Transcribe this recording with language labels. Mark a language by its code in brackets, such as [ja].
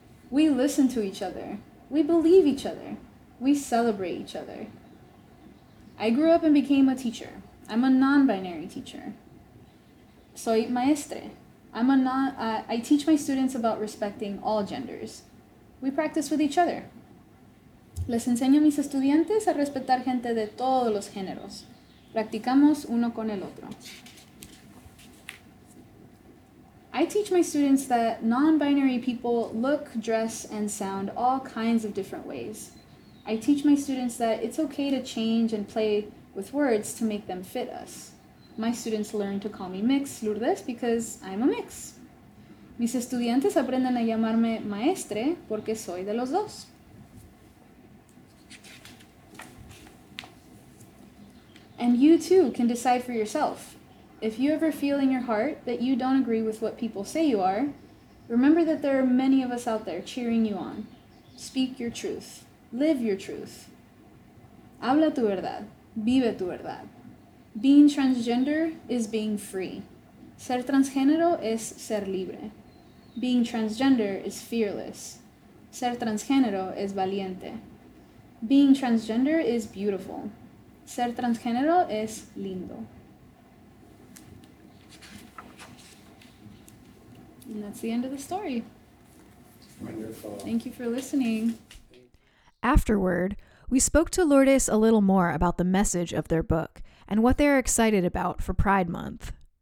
[en] We listen to each other. We believe each other. We celebrate each other. I grew up and became a teacher. I'm a non-binary teacher. [es] Soy maestre. [en] I teach my students about respecting all genders. We practice with each other. [es] Les enseño a mis estudiantes a respetar gente de todos los géneros. Practicamos uno con el otro. [en] I teach my students that non-binary people look, dress, and sound all kinds of different ways. I teach my students that it's okay to change and play with words to make them fit us. My students learn to call me Mix Lourdes because I'm a mix. [es] Mis estudiantes aprenden a llamarme maestre porque soy de los dos. [en] And you too can decide for yourself. If you ever feel in your heart that you don't agree with what people say you are, remember that there are many of us out there cheering you on. Speak your truth. Live your truth. [es] Habla tu verdad. Vive tu verdad. [en] Being transgender is being free. [es] Ser transgénero es ser libre. [en] Being transgender is fearless. [es] Ser transgénero es valiente. [en] Being transgender is beautiful. [es] Ser transgénero es lindo. [en] And that's the end of the story. Wonderful. Thank you for listening. Afterward, we spoke to Lourdes a little more about the message of their book and what they're excited about for Pride Month.